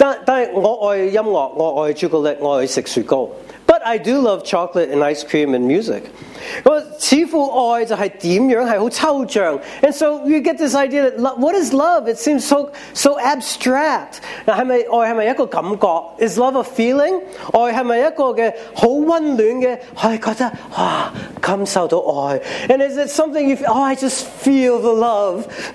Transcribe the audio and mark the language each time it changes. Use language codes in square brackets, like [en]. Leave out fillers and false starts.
[yue] 但我爱音乐，我爱朱古力，我爱吃雪糕。 [en] But I do love chocolate and ice cream and music. [yue] 似乎爱就是怎样，是很抽象。 [en] And so you get this idea that what is love? It seems so abstract. [yue] 爱是不是一个感觉？ [en] Is love a feeling? [yue] 爱是不是一个很温暖的，爱觉得哇，感受到爱。 [en] And is it something you feel? Oh, I just feel the love.